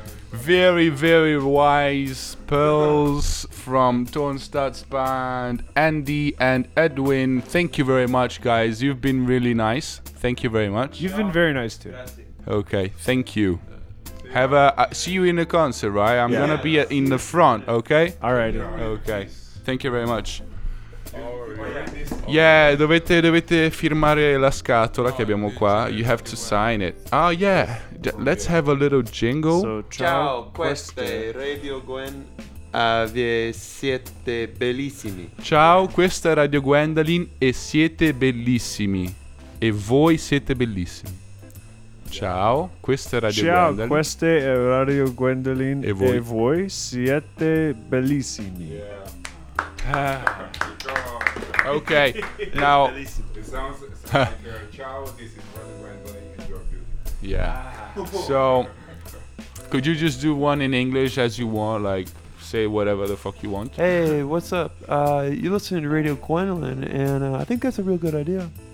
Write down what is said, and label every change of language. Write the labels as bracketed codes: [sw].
[en] Very, very wise pearls from Tonstadt's band, Andy and Edwin. Thank you very much, guys. You've been really nice. Thank you very much. You've been very nice, too. Okay, thank you. Have a see you in the concert, right? I'm going to be in the front, okay? All right. Okay. Thank you very much. [it] Yeah, dovete firmare la scatola che abbiamo qua. [en] You have to sign it. Oh, yeah. Let's have a little jingle. [it] So, ciao, questo è Radio Gwen. Vi siete bellissimi. Ciao, questa è Radio Gwendolyn e siete bellissimi. E voi siete bellissimi. Ciao, questa è Radio Gwendolyn. Ciao, questa è Radio Gwendolyn e voi siete bellissimi. [en] Yeah. Okay, now. It sounds like, ciao, this is Radio Gwendolyn and you're beautiful. Yeah. So, could you just do one in English as you want, like, say whatever the fuck you want? Hey, what's up? You're listening to Radio Gwendolyn, and I think that's a real good idea.